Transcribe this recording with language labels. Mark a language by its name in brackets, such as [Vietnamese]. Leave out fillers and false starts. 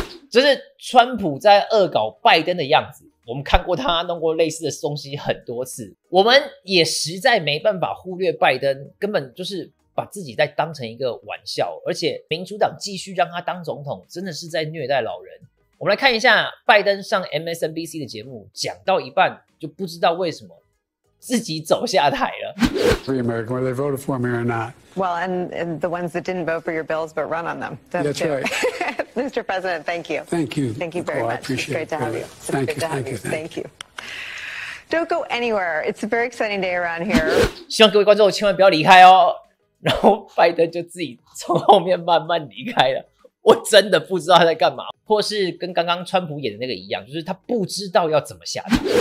[Chinese] 这是川普在恶搞拜登的样子。我们看过他弄过类似的东西很多次，我们也实在没办法忽略拜登根本就是把自己在当成一个玩笑，而且民主党继续让他当总统真的是在虐待老人。我们来看一下拜登上 MSNBC 的节目，讲到一半就不知道为什么自己走下台了。 [English] Free America, whether they voted for me or not. Well, and the ones that didn't vote for your bills but run on them. That's right. Mr. President, thank you. Thank you. Thank you very much. I appreciate it. Great to have you. Thank you. Thank you. Thank you. Don't go anywhere. It's a very exciting day around here. [Chinese] 希望各位观众千万不要离开哦。然后拜登就自己从后面慢慢离开了。我真的不知道他在干嘛，或是跟刚刚川普演的那个一样，就是他不知道要怎么下台。